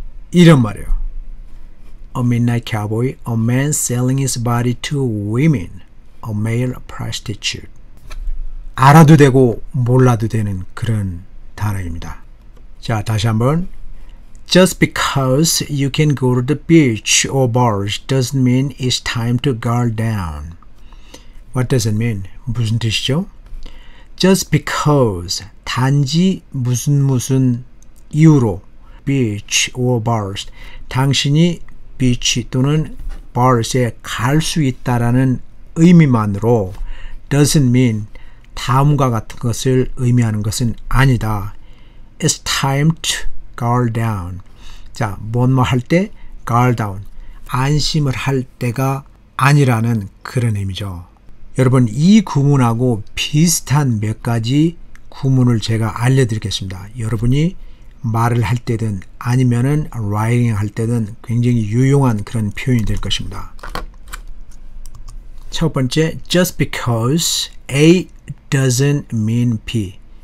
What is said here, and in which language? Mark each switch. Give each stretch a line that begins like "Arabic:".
Korean: 이런 말이에요.
English: A midnight cowboy, a man selling his body to women, a male prostitute.
Korean: 알아도 되고 몰라도 되는 그런 단어입니다. 자, 다시 한번.
English: Just because you can go to the beach or bars doesn't mean it's time to guard down. What does it mean?
Korean: 무슨 뜻이죠?
English: Just because,
Korean: 단지 무슨 무슨 이유로
English: beach or bars,
Korean: 당신이 beach 또는 bars에 갈 수 있다라는 의미만으로
English: doesn't mean
Korean: 다음과 같은 것을 의미하는 것은 아니다.
English: It's time to guard down.
Korean: 자, 뭐뭐 할 때?
English: Guard down.
Korean: 안심을 할 때가 아니라는 그런 의미죠. 여러분, 이 구문하고 비슷한 몇 가지 구문을 제가 알려드리겠습니다. 여러분이 말을 할 때든 아니면은 writing 할 때든 굉장히 유용한 그런 표현이 될 것입니다. 첫 번째,
English: just because A doesn't mean B.